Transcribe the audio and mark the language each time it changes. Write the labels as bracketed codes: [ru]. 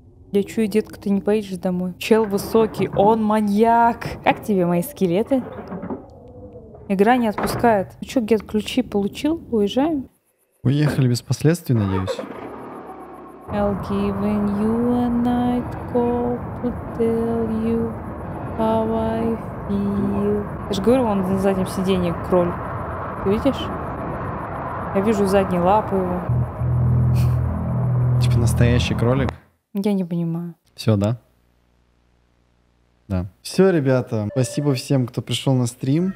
[ru] Я чую, детка, ты не поедешь домой. Чел высокий, он маньяк. Как тебе мои скелеты? Игра не отпускает. Ну чё, Гет, ключи получил? Уезжаем? Уехали без последствий, надеюсь. [en] I'll give you a night call to tell you. How I feel. [ru] Я же говорю, он на заднем сиденье, кроль. Ты видишь? Я вижу задние лапы его. Типа настоящий кролик? Я не понимаю. Все, да? Да. Все, ребята, спасибо всем, кто пришел на стрим.